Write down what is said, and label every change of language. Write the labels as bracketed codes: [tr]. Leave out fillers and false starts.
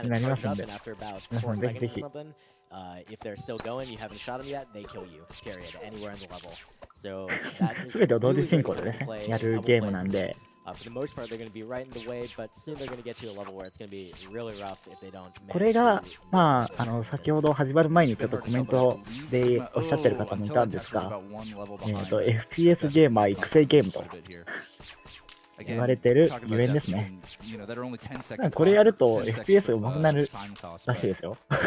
[ja] になりますので、皆さんぜひぜひ。 [en] If they're still going, you haven't shot them yet, they kill you. Period. Anywhere in the level. So, [ja] すべてを同時進行でね、やるゲームなんで。 [en] For the most part, they're going to be right in the way, but soon they're going to get to a level where it's going to be really rough if they don't. [ja] これが、まあ、先ほど始まる前にちょっとコメントでおっしゃってる方もいたんですが、FPS ゲームは育成ゲームと言われてるゆえんですね。 [en] you know, that are only 10 seconds. [ja] これやると FPS が上手くなるらしいですよ。